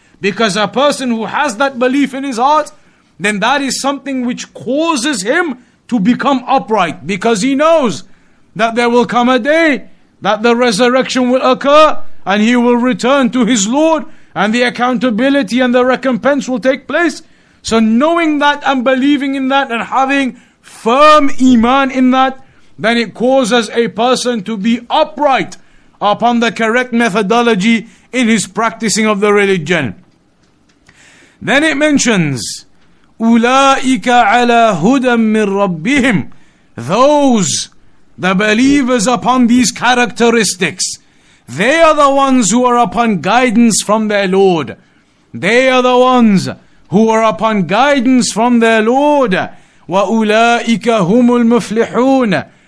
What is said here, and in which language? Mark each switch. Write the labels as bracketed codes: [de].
[en] Because a person who has that belief in his heart, then that is something which causes him to become upright, because he knows that there will come a day that the resurrection will occur and he will return to his Lord and the accountability and the recompense will take place. So knowing that and believing in that and having firm iman in that, then it causes a person to be upright upon the correct methodology in his practicing of the religion. Then it mentions, [ar] أُولَٰئِكَ عَلَىٰ هُدًى مِّن رَبِّهِمْ. [en] Those, the believers upon these characteristics, they are the ones who are upon guidance from their Lord. They are the ones who are upon guidance from their Lord. [ar] وَأُولَٰئِكَ هُمُ الْمُفْلِحُونَ.